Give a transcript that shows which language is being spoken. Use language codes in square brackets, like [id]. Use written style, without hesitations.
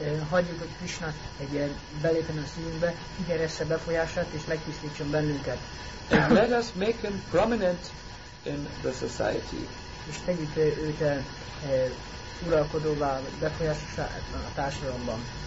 [hu] Hagyjuk, hogy Krishna egy ilyen belépjen a szívünkbe, igyeresse befolyását és megtisztítson bennünket. [en] And let us make him prominent in the society. [hu] És tegyük őt uralkodóvá, befolyásosá a társadalomban.